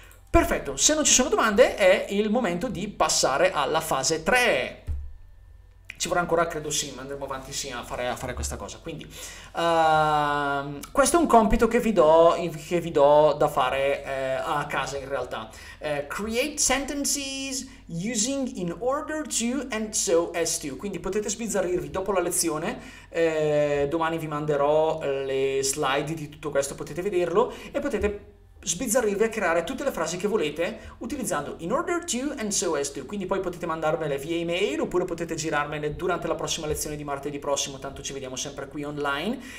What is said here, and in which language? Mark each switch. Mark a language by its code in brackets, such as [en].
[it] Perfetto, se non ci sono domande è il momento di passare alla fase 3. Ci vorrà ancora, credo sì, ma andremo avanti sì a fare questa cosa. Quindi, questo è un compito che vi do da fare a casa in realtà. [en] Create sentences using in order to and so as to. [it] Quindi potete sbizzarrirvi dopo la lezione, domani vi manderò le slide di tutto questo, potete vederlo e potete sbizzarrirvi a creare tutte le frasi che volete utilizzando in order to and so as to. Quindi poi potete mandarmele via email oppure potete girarmele durante la prossima lezione di martedì prossimo, tanto ci vediamo sempre qui online.